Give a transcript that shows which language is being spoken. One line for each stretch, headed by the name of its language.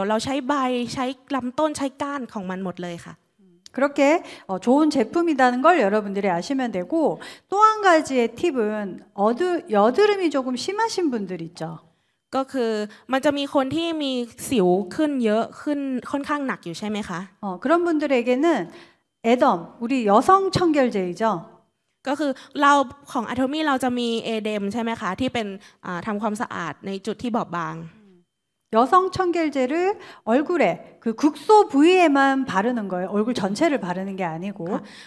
Thai: ก็คือเราอาจจะไม่รู้ชื่อทางการของพวกส่วนประกอบพวกนี้ทั้งหมดหรอกค่ะแต่ว่าอย่างเช่นนะคะเรามีสมุนไพรเราไม่ได้ใช้แค่เหมือนรากอย่างเดียวเราใช้ใบใช้ลำต้นใช้ก้านของมันหมดเลยค่ะ.
Korean: 그렇게 좋은 제품이라는 걸 여러분들이 아시면 되고 또한 가지의 팁은 여드름이 조금 심하신 분들 있죠.
Thai: ก็คือมันจะมีคนที่มีสิวขึ้นเยอะขึ้นค่อนข้างหนักอยู่ใช่ไหมคะ.
Korean: 그런 분들에게는 에덤, 우리 여성 청결제이죠.
Thai: ก็คือเราของอโทมี่เราจะมีเอเดมใช่ไหมคะที่เป็นทำความสะอาดในจุดที่บอบบาง.
Korean: 여성 청결제를 얼굴에 그 국소 부위에만 바르는 거예요. 얼굴 전체를 바르는 게 아니고.